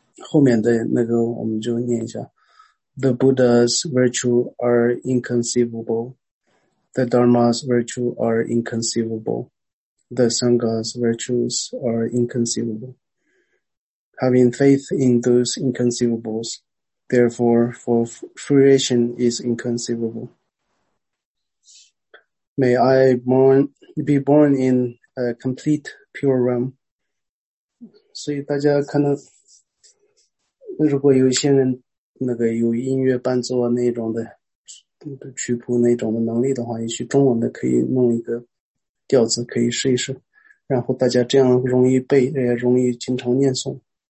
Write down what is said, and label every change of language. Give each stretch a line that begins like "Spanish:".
Chinese: 后面的那个我们就念一下。
English: The Buddha's virtue are inconceivable. The Dharma's virtue are inconceivable. The Sangha's virtues are inconceivable. Having faith in those inconceivables, therefore, for fruition is inconceivable. May I be born in a complete pure realm.
Chinese: 所以大家看到如果有些人那个有音乐伴奏啊那种的曲谱那种的能力的话，也许中文的可以弄一个调子可以试一试，然后大家这样容易背，也容易经常念诵。